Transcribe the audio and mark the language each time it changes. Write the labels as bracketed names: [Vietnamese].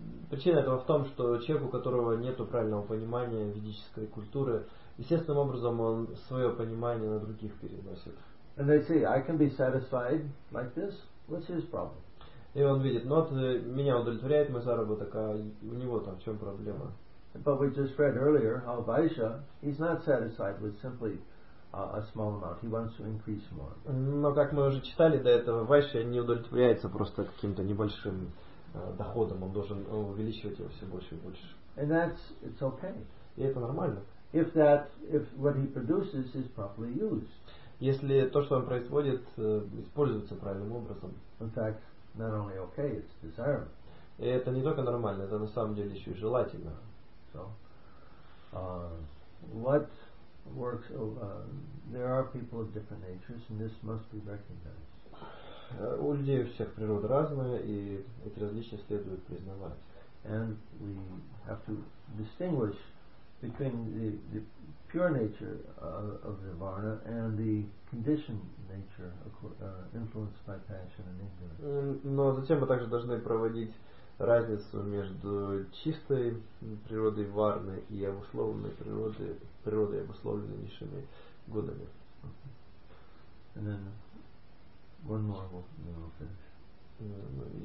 [Russian] Причина этого в том, что человек, у которого нет правильного понимания ведической культуры, естественным образом он свое понимание на других переносит. [English] And they say, I can be satisfied like this. What's his problem? [Russian] И он видит, ну вот меня удовлетворяет мой заработок, а у него там в чем проблема? [English] But we just read earlier how Vaishya, he's not satisfied with simply a small amount. He wants to increase more. [Russian] Но как мы уже читали до этого, Vaishya не удовлетворяется просто каким-то небольшим доходом. Он должен увеличивать его все больше и больше. [English] And that's it's okay. [Russian] И это нормально. [English] If what he produces is properly used. [Russian] Если то, что он производит, используется правильным образом. [English] In fact, not only okay, it's desirable. [Russian] И это не только нормально, это на самом деле еще и желательно. [English] So, what works of there are people of different natures, and this must be recognized. [Russian] У людей у всех природа разная, и эти различия следует признавать. [English] And we have to distinguish between the pure nature of nirvana and the conditioned nature influenced by passion and ignorance. [Russian] Но затем мы также должны проводить разницу между чистой природой варны и обусловленной природой, обусловленнейшими гунами. [English] And then one more, we'll finish.